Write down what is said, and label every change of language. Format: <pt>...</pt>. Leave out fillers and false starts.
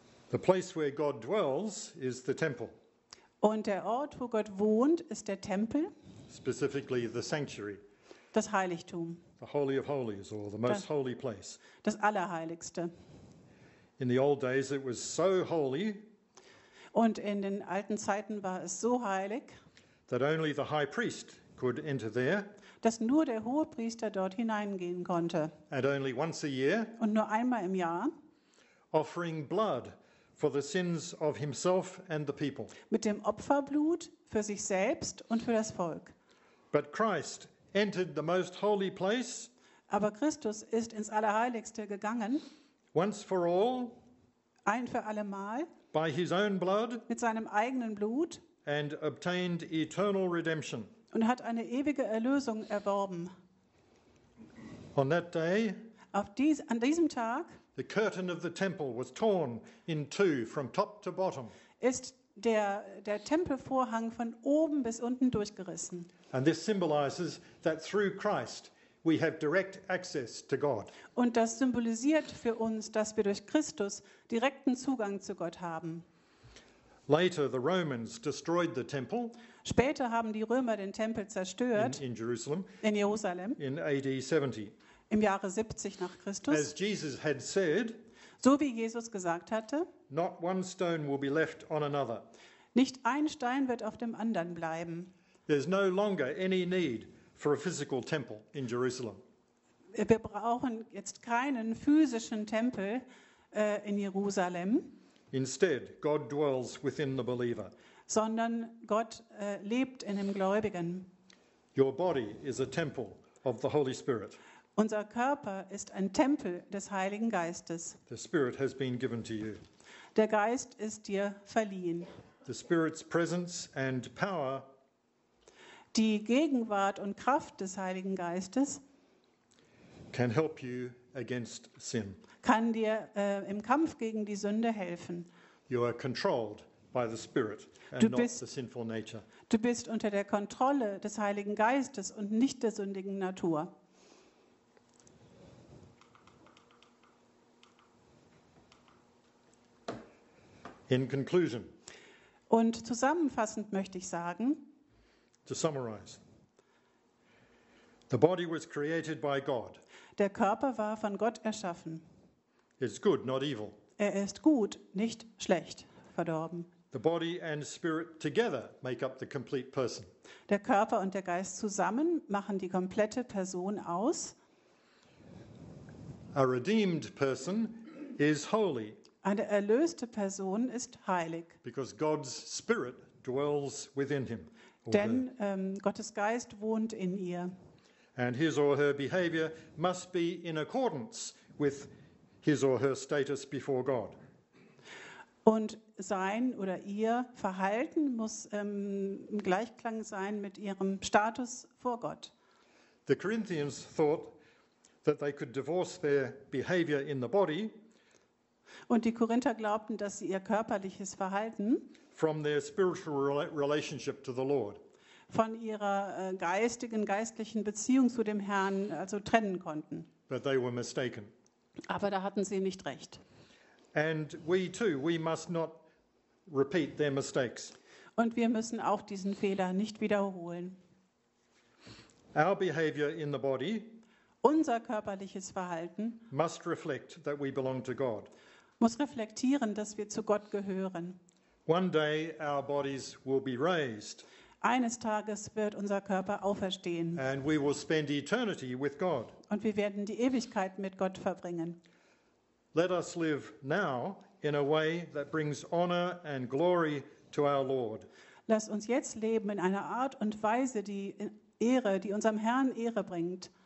<en>The place where God dwells is the temple.</en> <de>Und der Ort, wo Gott wohnt, ist der Tempel.</de> <en>Specifically the sanctuary.</en> <de>Das Heiligtum.</de> <en>The Holy of Holies, or the most holy place.</en> <de>Das Allerheiligste.</de> <en>In the old days it was so holy.</en> <de>Und in den alten Zeiten war es so heilig.</de> <en>That only the high priest could enter there.</en> <de>Dass nur der Hohepriester dort hineingehen konnte.</de> <en>And only once a year.</en> <de>Und nur einmal im Jahr.</de> <en>Offering blood for the sins of himself and the people.</en> <de>Mit dem Opferblut für sich selbst und für das Volk.</de> <en>But Christ entered the most holy place.</en> <de>Aber Christus ist ins Allerheiligste gegangen.</de> <en>Once for all.</en> <de>Ein für alle Mal.</de> <en>By his own blood.</en> <de>Mit seinem eigenen Blut.</de> <en>And obtained eternal redemption.</en> <de>Und hat eine ewige Erlösung erworben.</de> <en>On that day.</en> <de>An diesem Tag.</de> <en>The curtain of the temple was torn in two from top to bottom.</en> <de>Ist der Tempelvorhang von oben bis unten durchgerissen.</de> <en>And this symbolizes that through Christ we have direct access to God.</en> <de>Und das symbolisiert für uns, dass wir durch Christus direkten Zugang zu Gott haben.</de> <en>Later the Romans destroyed the temple.</en> <de>Später haben die Römer den Tempel zerstört.</de> <en>In Jerusalem.</en> <de>In Jerusalem.</de> <en>In AD 70.</en> <de>Im Jahre 70 nach Christus.</de> <en>As Jesus had said.</en> <de>So wie Jesus gesagt hatte.</de> <en>Not one stone will be left on another.</en> <de>Nicht ein Stein wird auf dem anderen bleiben.</de> <en>There's no longer any need for a physical temple in Jerusalem.</en> <de>Wir brauchen jetzt keinen physischen Tempel in Jerusalem.</de> <en>Instead, God dwells within the believer.</en> <de>Sondern Gott lebt in dem Gläubigen.</de> <en>Your body is a temple of the Holy Spirit.</en> <de>Unser Körper ist ein Tempel des Heiligen Geistes.</de> <en>The Spirit has been given to you.</en> <de>Der Geist ist dir verliehen.</de> <en>The Spirit's presence and power.</en> <de>Die Gegenwart und Kraft des Heiligen Geistes</de> <en>can help you against sin.</en> <de>Kann dir im Kampf gegen die Sünde helfen.</de> <en>You are controlled by the Spirit and not the sinful nature.</en> <de>Du bist unter der Kontrolle des Heiligen Geistes und nicht der sündigen Natur.</de> <en>In conclusion.</en> <de>Und zusammenfassend möchte ich sagen,</de> <en>to summarize. The body was created by God.</en> <de>Der Körper war von Gott erschaffen.</de> <en>It's good, not evil.</en> <de>Er ist gut, nicht schlecht, verdorben.</de> <en>The body and spirit together make up the complete person.</en> <de>Der Körper und der Geist zusammen machen die komplette Person aus.</de> <en>A redeemed person is holy.</en> <de>Eine erlöste Person ist heilig.</de> <en>Because God's spirit dwells within him.</en> <de>Denn Gottes Geist wohnt in ihr.</de> <en>And his or her behavior must be in accordance with his or her status before God.</en> <de>Und sein oder ihr Verhalten muss im Gleichklang sein mit ihrem Status vor Gott.</de> <en>The Corinthians thought that they could divorce their behavior in the body.</en> <de>Und die Korinther glaubten, dass sie ihr körperliches Verhalten</de> <en>from their spiritual relationship to the Lord.</en> <de>Von ihrer geistlichen Beziehung zu dem Herrn also trennen konnten.</de> <en>But they were mistaken.</en> <de>Aber da hatten sie nicht recht.</de> <en>And we too, we must not repeat their mistakes.</en> <de>Und wir müssen auch diesen Fehler nicht wiederholen.</de> <en>Our behavior in the body,</en> <de>unser körperliches Verhalten,</de> <en>must reflect that we belong to God.</en> <de>Muss reflektieren, dass wir zu Gott gehören.</de> <en>One day our bodies will be raised.</en> <de>Eines Tages wird unser Körper auferstehen.</de> <en>And we will spend eternity with God.</en> <de>Und wir werden die Ewigkeit mit Gott verbringen.</de> <en>Let us live now in a way that brings honor and glory to our Lord.</en> <de>Lass uns jetzt leben in einer Art und Weise, die Ehre, die unserem Herrn Ehre bringt.</de>